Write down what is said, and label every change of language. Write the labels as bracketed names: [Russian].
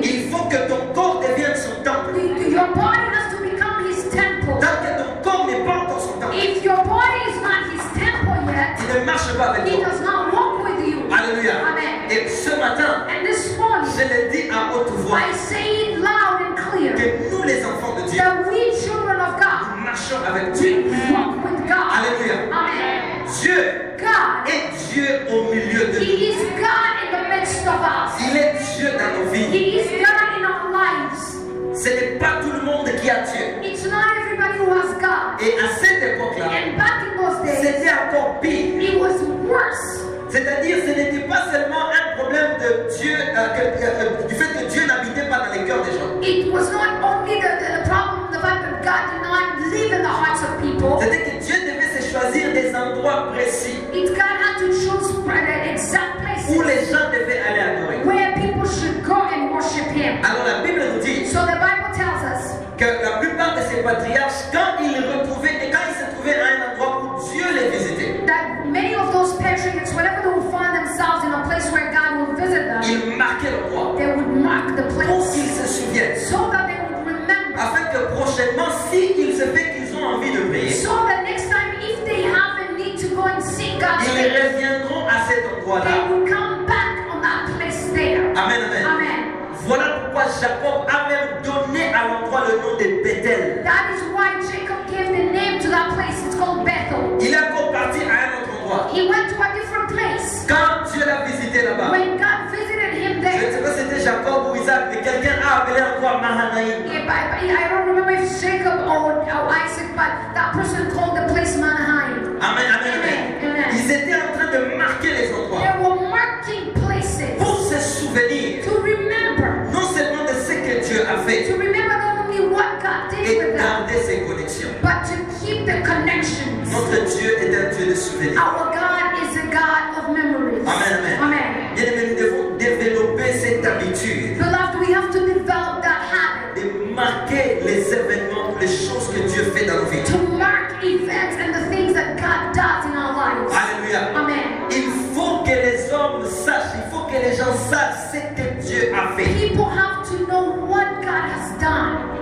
[French] Il faut que ton corps devienne son temple. [English] Your body has to become his temple. [French] Tant que ton corps n'est pas encore son temple. [English] If your body is not his temple yet, [French] il ne marche pas avec [English] he [French] toi. [English] Does not walk with you. [French] Alléluia. [English] Amen. [French] Et ce matin, [English] and this morning, [French] je le dis à haute voix. [English] I say it loud and clear. [French] Que nous les enfants de Dieu, [English] that we children of God, [French] marchons avec Dieu. [English] We walk with God. [French] Alléluia. [English] Amen. [French] Dieu [English] God [French] est Dieu au milieu de [English] nous. He is God in the midst of us. [French] Il est Dieu dans nos vies. [English] He is God in our lives. [French] Ce n'est pas tout le monde qui a Dieu. [English] It's not everybody who has God. [French] Et à cette époque-là, [English] and back in those days, [French] c'était encore pire. [English] It was worse. [French] C'est-à-dire, ce n'était pas seulement un problème de Dieu, du fait que Dieu n'habitait pas dans les cœurs des gens. [English] It was not only the problem of the fact that God did not live in the hearts of people. [French] C'était que Dieu devait se choisir des endroits précis. [English] It God had to choose the exact places [French] où les gens devaient aller adorer. [English] Where people should go and worship him. [French] Alors la Bible nous dit. [English] So the Bible tells us [French] que la plupart de ces patriarches, quand ils les retrouvaient et quand ils se trouvaient à un endroit où Dieu les visitait. [English] That many of those patriarchs, whenever they will find themselves in a place where God will visit them, [French] ils marquaient l'endroit. [English] They would mark the place. [French] Pour qu'ils se souviennent. [English] So that they would remember. [French] Afin que prochainement, si il se fait qu'ils ont envie de prier, [English] so that next time, if they have a need to go and seek God, [French] ils reviendront à cet endroit-là. [English] They will come back on that place there. [French] Amen, amen. [English] Amen. [French] Voilà pourquoi Jacob a même donné à l'endroit le nom de Bethel. [English] That is why Jacob gave the name to that place. It's called Bethel. [French] Il est encore parti à un autre endroit. [English] He went to a different place. [French] Quand Dieu l'a visité là-bas. [English] When God visited him there. [French] Je ne sais pas si c'était Jacob ou Isaac, mais quelqu'un a appelé encore Mahanaïm. [English] I don't remember if Jacob or Isaac, but that person called the place Mahanaïm. [French] Amen, amen, amen. [English] Amen. [French] Ils étaient en train de marquer les endroits. [English] They were marking places. [French] Pour se souvenir. [English] To remember. [French] Non seulement de ce que Dieu a fait. [English] To remember not only what God did with them. [French] Et garder ses connexions. [English] But to keep the connections. [French] Notre Dieu est un Dieu de souvenirs. [English] Our God is a God of memories. [French] Amen, amen. [English] Amen. [French] Bien aimé, nous devons développer cette habitude. [English] Beloved, we have to develop that habit. [French] De marquer les événements, les choses que Dieu fait dans nos vies. [English] To mark events and the things that God does in our lives. [French] Alléluia. [English] Amen. [French] Il faut que les hommes sachent, il faut que les gens sachent ce que Dieu a fait. [English] People have to know what God has done.